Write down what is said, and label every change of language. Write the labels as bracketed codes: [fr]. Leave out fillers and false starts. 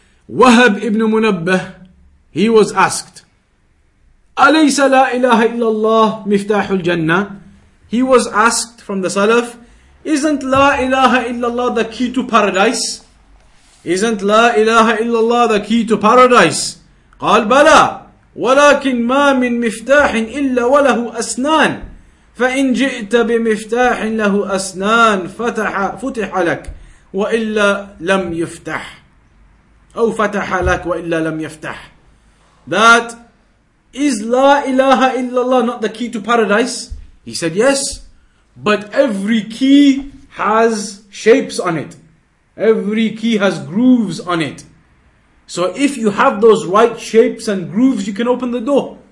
[en] Wahab ibn Munabbah, he was asked, [ar] Alaysa La ilaha illallah miftahul jannah? [en] He was asked from the Salaf, isn't La ilaha illallah the key to paradise? Isn't La ilaha illallah the key to paradise? [ar] قال بلى ولكن ما من مفتاح إلا وله أسنان فإن جئت بمفتاح له أسنان فتح لك وإلا لم يفتح أو فتح لك وإلا لم يفتح. [en] That is La ilaha illallah not the key to paradise? He said yes. But every key has shapes on it. Every key has grooves on it. So if you have those right shapes and grooves, you can open the door.